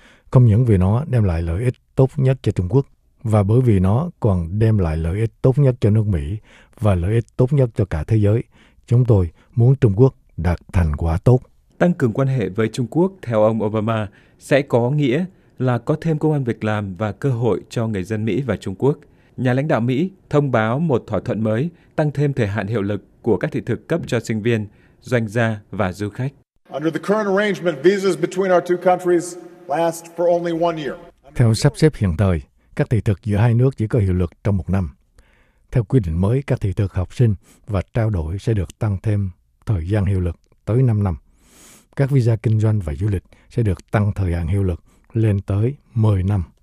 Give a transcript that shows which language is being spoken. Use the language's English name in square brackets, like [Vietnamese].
[Vietnamese] Không những vì nó đem lại lợi ích tốt nhất cho Trung Quốc, và bởi vì nó còn đem lại lợi ích tốt nhất cho nước Mỹ và lợi ích tốt nhất cho cả thế giới, chúng tôi muốn Trung Quốc đạt thành quả tốt. Tăng cường quan hệ với Trung Quốc, theo ông Obama, sẽ có nghĩa là có thêm công ăn việc làm và cơ hội cho người dân Mỹ và Trung Quốc. Nhà lãnh đạo Mỹ thông báo một thỏa thuận mới tăng thêm thời hạn hiệu lực của các thị thực cấp cho sinh viên, doanh gia và du khách. [English] Under the current arrangement, visas between our two countries last for only one year. [Vietnamese] Theo sắp xếp hiện thời, các thị thực giữa hai nước chỉ có hiệu lực trong một năm. Theo quy định mới, các thị thực học sinh và trao đổi sẽ được tăng thêm thời gian hiệu lực tới 5 năm. Các visa kinh doanh và du lịch sẽ được tăng thời hạn hiệu lực lên tới 10 năm.